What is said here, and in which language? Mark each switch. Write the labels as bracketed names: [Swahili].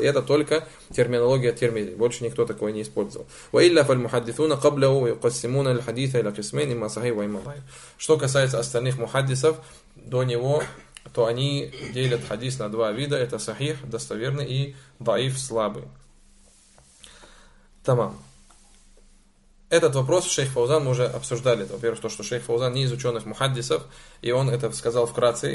[Russian] И это только терминология Тирмизи. Больше никто такое не использовал. [Arabic] وإلا فالمحدثون قبله يقسمون الحديث إلى قسمين إما صحيح وإما ضعيف. [Russian] Что касается остальных мухаддисов до него, то они делят хадис на два вида. Это сахих, достоверный, и ضعيف, слабый. Тамам. Этот вопрос шейх Фаузан мы уже обсуждали. Во-первых, то, что шейх Фаузан не из ученых мухаддисов, и он это сказал вкратце.